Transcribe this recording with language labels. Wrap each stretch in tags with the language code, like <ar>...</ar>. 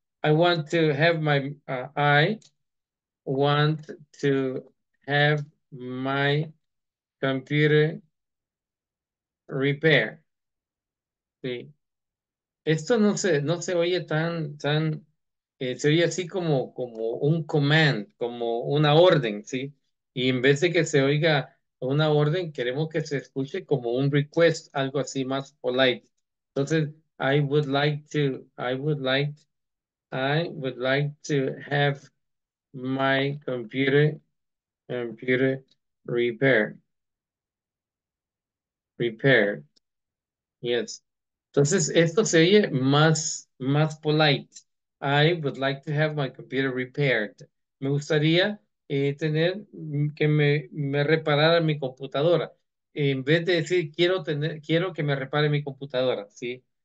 <en>I want to have my, I want to have my computer repair. Sí.</en> <es>Esto no se oye tan se oye así como un command, como una orden, ¿sí? Y en vez de que se oiga una orden, queremos que se escuche como un request, algo así más polite.</es> <en>Entonces, I would like to have my computer repaired. Yes.</en> <es>Entonces, esto se oye más polite.</es> <en>I would like to have my computer repaired.</en> <es>Me gustaría tener que me reparara mi computadora. En vez de decir, quiero que me repare mi computadora, ¿sí?</es>